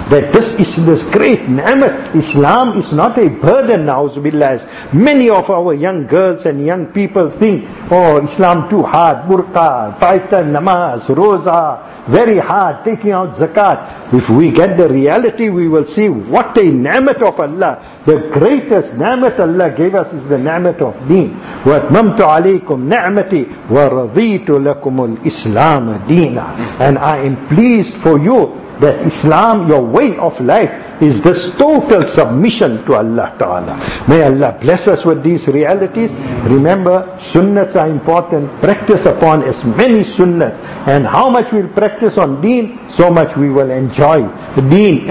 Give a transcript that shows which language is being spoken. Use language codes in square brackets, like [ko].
[en] That this is this great ni'mat. Islam is not a burden now, as many of our young girls and young people think, oh, Islam too hard, burqa, five times namaz, roza, very hard, taking out zakat. If we get the reality, we will see what a ni'mat of Allah. The greatest ni'mat Allah gave us is the ni'mat of deen. [ar] وَأَتْمَمْتُ عَلَيْكُمْ ni'mati وَرَضِيتُ لَكُمُ الْإِسْلَامَ دِينًا. [en] And I am pleased for you that Islam, your way of life, is this total submission to Allah Ta'ala. May Allah bless us with these realities. Remember, sunnahs are important. Practice upon as many sunnahs. And how much we'll practice on deen, so much we will enjoy the deen.